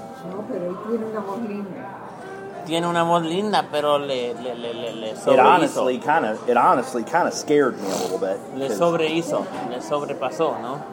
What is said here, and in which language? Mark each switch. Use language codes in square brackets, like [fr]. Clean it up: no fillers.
[es] No, pero él tiene una voz linda. Tiene una voz linda, pero le sobrehizo. [en] It honestly kind of scared me a little bit. [es] Le sobrehizo, le sobrepasó, ¿no?